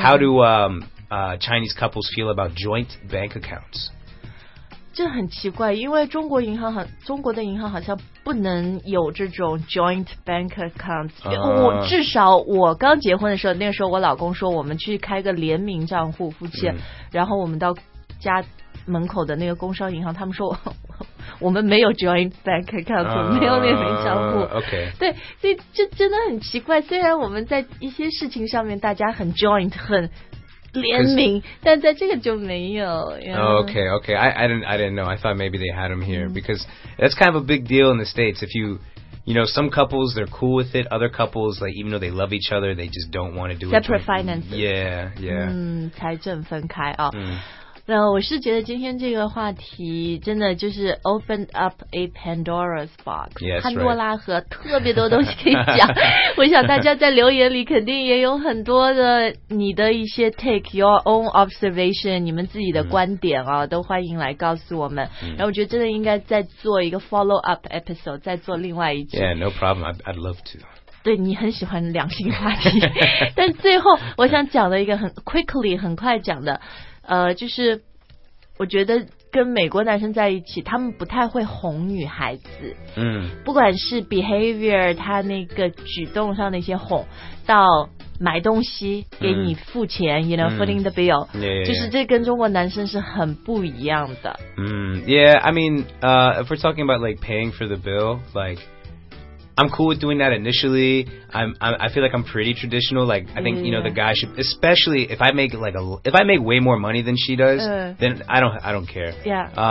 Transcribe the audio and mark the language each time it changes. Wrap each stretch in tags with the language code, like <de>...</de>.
<en>How do Chinese couples feel about joint bank accounts?</en> <zh>这很奇怪，因为中国银行很中国的银行好像不能有这种 joint bank accounts。我至少我刚结婚的时候，那个时候我老公说我们去开个联名账户，夫妻，然后我们到家门口的那个工商银行，他们说我们没有 joint bank account， 没有联名账户。</zh> <en>Okay.</en> <zh>对，所以这真的很奇怪。虽然我们在一些事情上面大家很 joint 很联名，但在这个就没有。</zh> <en>Okay. I didn't know. I thought maybe they had them here because that's kind of a big deal in the States. If you know, some couples they're cool with it. Other couples, like even though they love each other, they just don't want to do separate finances. Yeah.</en> <zh>财政分开啊。那我是觉得今天这个话题真的就是</zh> <en>opened up a Pandora's box，</en> <zh>潘多拉盒，特别多东西可以讲。我想大家在留言里肯定也有很多的你的一些</zh> <en>take your own observation，</en> <zh>你们自己的观点啊，都欢迎来告诉我们。然后我觉得真的应该再做一个</zh> <en>follow up episode，</en> <zh>再做另外一集。</zh> <en>Yeah, no problem. I'd love to.</en> <zh>对，你很喜欢两性话题。但最后我想讲的一个很 quickly 很快讲的就是我觉得跟美国男生在一起他们不太会哄女孩子，不管是 behavior 他那个举动上的一些哄到买东西给你付钱，</zh> <en>you know, footing the bill, yeah.</en> <zh>就是这跟中国男生是很不一样的。</zh> <en>Yeah, I mean, if we're talking about like paying for the bill, likeI'm cool with doing that initially. I feel like I'm pretty traditional. Like, I think, you know, the guy should, especially if I make like if I make way more money than she does, then I don't care. Yeah.</en>